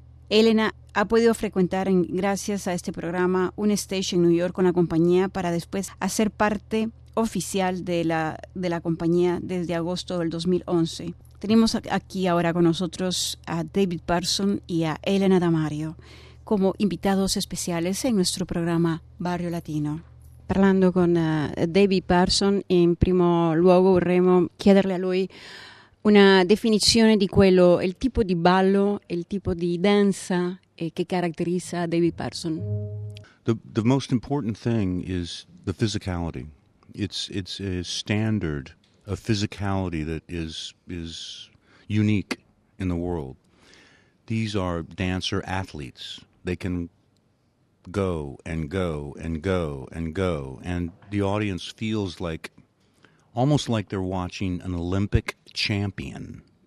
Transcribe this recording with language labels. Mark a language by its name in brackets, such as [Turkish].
[Spanish] Elena ha podido frecuentar, gracias a este programa, un stage en New York con la compañía para después hacer parte oficial de la compañía desde agosto del 2011. Tenemos aquí ahora con nosotros a David Parsons y a Elena Damario como invitados especiales en nuestro programa Barrio Latino. [Italian] Parlando con David Parsons, in primo luogo vorremmo chiederle a lui una definizione di quello, il tipo di ballo, il tipo di danza che caratterizza David Parsons. [English] The most important thing is the physicality. It's a standard of physicality that is unique in the world. These are dancer athletes. They can go and go and go and go, and the audience feels like almost like they're watching an Olympic champion.